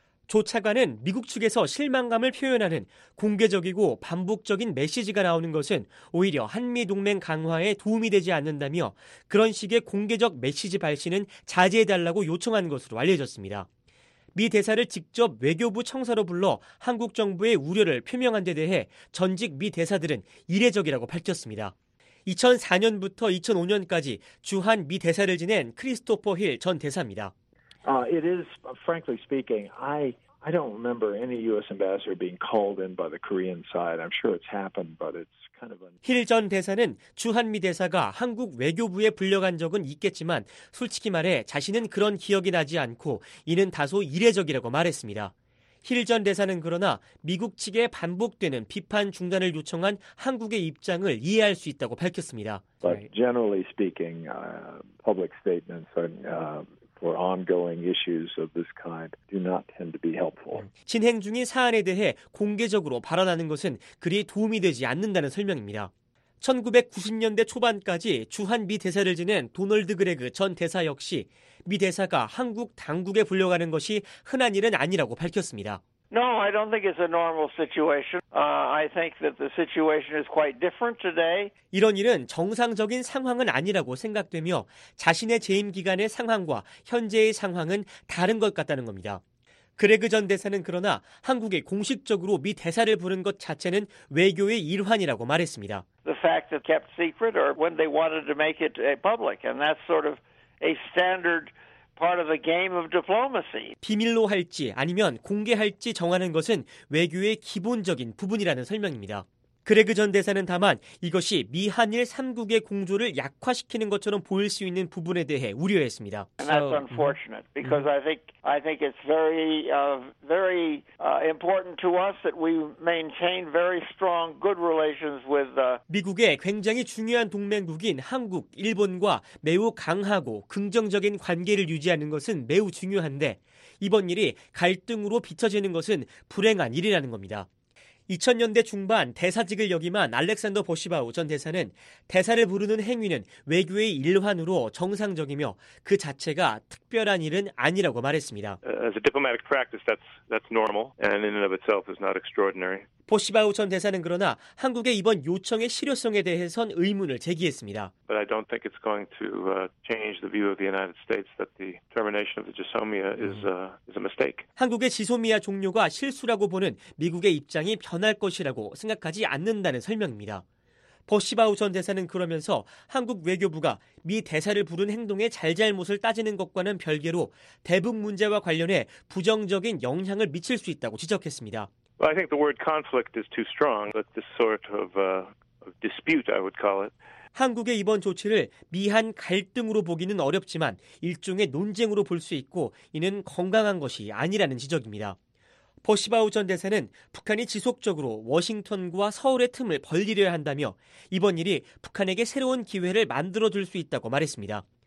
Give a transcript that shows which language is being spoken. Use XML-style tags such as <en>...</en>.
<ko>조 차관은 미국 측에서 실망감을 표현하는 공개적이고 반복적인 메시지가 나오는 것은 오히려 한미동맹 강화에 도움이 되지 않는다며 그런 식의 공개적 메시지 발신은 자제해달라고 요청한 것으로 알려졌습니다. 미 대사를 직접 외교부 청사로 불러 한국 정부의 우려를 표명한 데 대해 전직 미 대사들은 이례적이라고 밝혔습니다. 2004년부터 2005년까지 주한 미 대사를 지낸 크리스토퍼 힐 전 대사입니다.</ko> <en>It is, frankly speaking, I don't remember any U.S. ambassador being called in by the Korean side. I'm sure it's happened, but it's kind of.</en> <ko>힐 전 대사는 주한미 대사가 한국 외교부에 불려간 적은 있겠지만 솔직히 말해 자신은 그런 기억이 나지 않고 이는 다소 이례적이라고 말했습니다. 힐 전 대사는 그러나 미국 측에 반복되는 비판 중단을 요청한 한국의 입장을 이해할 수 있다고 밝혔습니다.</ko> <en>But generally speaking, public statements are. For ongoing issues of this kind do not tend to be helpful.</en> <ko>진행 중인 사안에 대해 공개적으로 발언하는 것은 그리 도움이 되지 않는다는 설명입니다. 1990년대 초반까지 주한 미 대사를 지낸 도널드 그레그 전 대사 역시 미 대사가 한국 당국에 불려가는 것이 흔한 일은 아니라고 밝혔습니다.</ko> <en>No, I don't think it's a normal situation. I think that the situation is quite different today.</en> <ko>이런 일은 정상적인 상황은 아니라고 생각되며 자신의 재임 기간의 상황과 현재의 상황은 다른 것 같다는 겁니다. 그레그 전 대사는 그러나 한국에 공식적으로 미 대사를 부른 것 자체는 외교의 일환이라고 말했습니다.</ko> <en>The fact that kept secret or when they wanted to make it public and that's sort of a standard part of the game of diplomacy.</en> <ko>비밀로 할지 아니면 공개할지 정하는 것은 외교의 기본적인 부분이라는 설명입니다. 그레그 전 대사는 다만 이것이 미한일 3국의 공조를 약화시키는 것처럼 보일 수 있는 부분에 대해 우려했습니다.</ko> <en>And that's unfortunate because I think it's very very important to us that we maintain very strong good relations with</en> <ko>미국의 굉장히 중요한 동맹국인 한국, 일본과 매우 강하고 긍정적인 관계를 유지하는 것은 매우 중요한데 이번 일이 갈등으로 비춰지는 것은 불행한 일이라는 겁니다. 2000년대 중반 대사직을 역임한 알렉산더 보시바우 전 대사는 대사를 부르는 행위는 외교의 일환으로 정상적이며 그 자체가 특별한 일은 아니라고 말했습니다.</ko> <en>As a diplomatic practice, that's normal and in and of itself is not extraordinary.</en> <ko>보시바우 전 대사는 그러나 한국의 이번 요청의 실효성에 대해선 의문을 제기했습니다.</ko> <en>But I don't think it's going to change the view of the United States that the termination of the GSOMIA is a mistake.</en> <ko>한국의 지소미아 종료가 실수라고 보는 미국의 입장이 변할 것이라고 생각하지 않는다는 설명입니다. 보시바우 전 대사는 그러면서 한국 외교부가 미 대사를 부른 행동의 잘잘못을 따지는 것과는 별개로 대북 문제와 관련해 부정적인 영향을 미칠 수 있다고 지적했습니다.</ko> <en>Well, I think the word conflict is too strong, but this sort of dispute, I would call it.</en> <ko>한국의 이번 조치를 미한 갈등으로 보기는 어렵지만 일종의 논쟁으로 볼 수 있고 이는 건강한 것이 아니라는 지적입니다. 보시바우 전 대사는 북한이 지속적으로 워싱턴과 서울의 틈을 벌리려 한다며 이번 일이 북한에게 새로운 기회를 만들어줄 수 있다고 말했습니다.</ko>